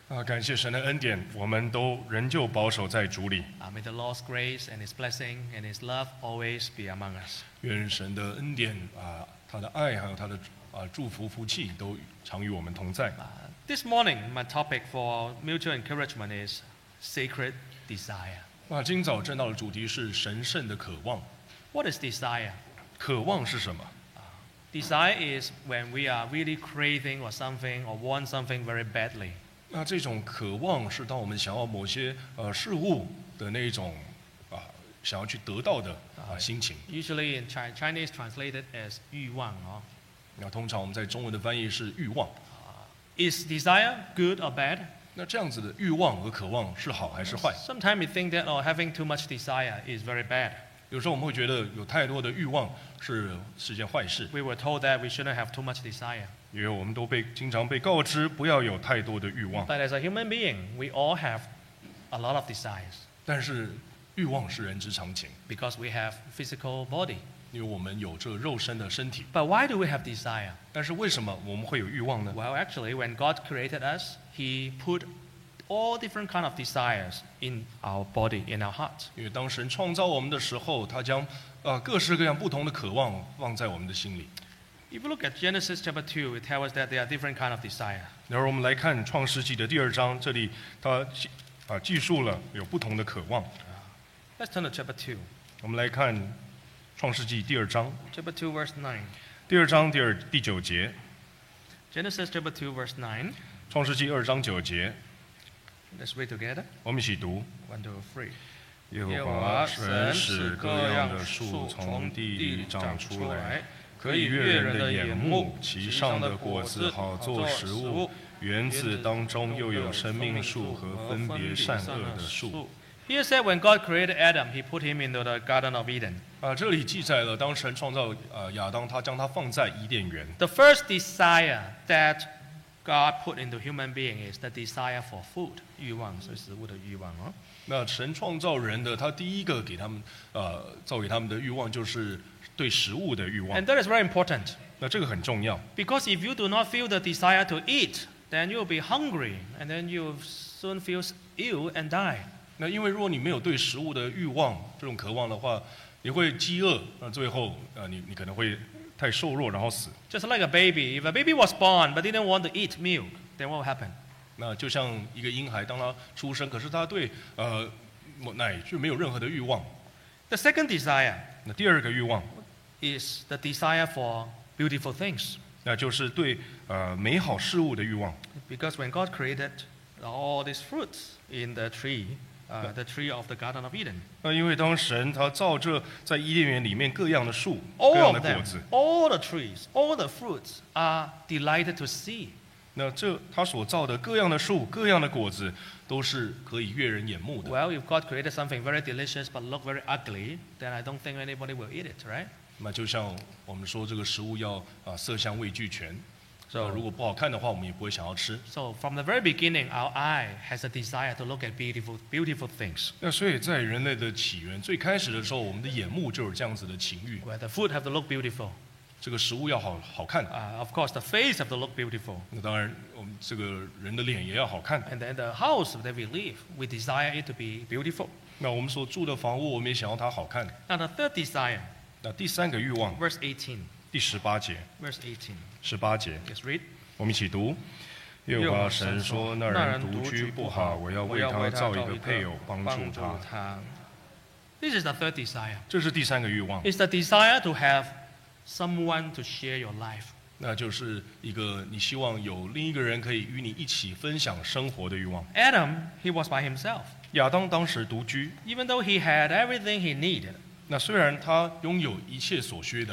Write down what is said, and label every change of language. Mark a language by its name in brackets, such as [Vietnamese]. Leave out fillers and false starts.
[Chinese] 感谢神的恩典，我们都仍旧保守在主里。 [English] May the Lord's grace and His blessing and His love always be among us. [Chinese] 愿神的恩典他的爱还有他的祝福福气都常与我们同在。 [English] This morning, my topic for mutual encouragement is sacred desire. [Chinese] 今早正道的主题是神圣的渴望。 [English] What is desire? [Chinese] 渴望是什么？ [English] Desire is when we are really craving or something or want something very badly. [Chinese] 这种渴望是当我们想要某些事物的那种想要去得到的心情。 [English] Usually in Chinese translated as 欲望哦。 [Chinese] 通常我们在中文的翻译是欲望。 [English] Is desire good or bad? [Chinese] 那这样子的欲望和渴望是好还是坏？ [English] Sometimes we think that having too much desire is very bad. [Chinese] 有时候我们会觉得有太多的欲望是件坏事。 [English] We were told that we shouldn't have too much desire. [Chinese] 因为我们都经常被告知不要有太多的欲望。 [English] But as a human being, we all have a lot of desires. [Chinese] 但是欲望是人之常情。 [English] Because we have physical body. [Chinese] 因为我们有这肉身的身体。 [English] But why do we have desire? [Chinese] 但是为什么我们会有欲望呢？ [English] Well, actually, when God created us, He put all different kind of desires in our body, in our heart. [Chinese] 因为当神创造我们的时候，他将各式各样不同的渴望放在我们的心里。 [English] If you look at Genesis chapter 2, it tells us that there are different kind of desire. [Chinese] 然后我们来看创世纪的第二章，这里他记述了有不同的渴望。 [English] Let's turn to chapter 2. [Chinese] 我们来看。创世纪第二章 [English] Chapter 2 verse 9 [Chinese] 第二章第九节 [English] Genesis chapter 2 verse 9 [Chinese] 创世纪二章九节 [English] Let's read together [Chinese] 我们一起读 [English] One, two, three [Chinese] 耶和华神使各样的树从地里长出来可以悦人的眼目其上的果子好做食物园子当中又有生命树和分别善恶的树 [English] Here said when God created Adam He put him into the Garden of Eden [Chinese] 这里记载了当神创造亚当他将他放在伊甸园 [English] The first desire that God put into human being is the desire for food [Chinese] 欲望所以食物的欲望、哦、那神创造人的他第一个给他们造给他们的欲望就是对食物的欲望 [English] And that is very important [Chinese] 那这个很重要 [English] Because if you do not feel the desire to eat then you will be hungry and then you will soon feel ill and die [Chinese] 那因为如果你没有对食物的欲望这种渴望的话你会饥饿，最后你可能会太瘦弱，然后死。 [English] Just like a baby, if a baby was born but didn't want to eat milk, then what will happen? [Chinese] 那就像一个婴孩，当他出生，可是他对奶就没有任何的欲望。 [English] The second desire. [Chinese] 那第二个欲望 [English] is the desire for beautiful things. [Chinese] 那就是对美好事物的欲望。 [English] Because when God created all these fruits in the tree. The tree of the Garden of Eden. [Chinese] 因为当神他造这在伊甸园里面各样的树、 [English] all、 [Chinese] 各样的果子 [English] them, all the trees, all the fruits are delighted to see. [Chinese] 那这他所造的各样的树、各样的果子都是可以悦人眼目的。 [English] Well, if God created something very delicious but look very ugly, then I don't think anybody will eat it, right? [Chinese] 那就像我们说这个食物要色香味俱全。 So, 如果不好看的话，我们也不会想要吃。 [English] So from the very beginning, our eye has a desire to look at beautiful things. [Chinese] 那所以在人类的起源最开始的时候，我们的眼目就有这样子的情欲。 [English] Well, the food have to look beautiful. [Chinese] 这个食物要好看。 [English] Of course, the face have to look beautiful. [Chinese] 那当然，我们这个人的脸也要好看。 [English] And then the house that we live, we desire it to be beautiful. [Chinese] 那我们所住的房屋，我们也想要它好看。 [English] Now the third desire. [Chinese] 那第三个欲望。 [English] Verse 18. [Chinese] 第十八节 [English] Verse 18 [Chinese] 十八节 [English] Yes, read [Chinese] 我们一起读耶和华神说那人独居不好我要为他造一个配偶帮助他 [English] This is the third desire [Chinese] 这是第三个欲望 [English] It's the desire to have someone to share your life [Chinese] 那就是一个你希望有另一个人可以与你一起分享生活的欲望 [English] Adam, he was by himself [Chinese] 亚当当时独居 [English] Even though he had everything he needed [Chinese] 那虽然他拥有一切所需的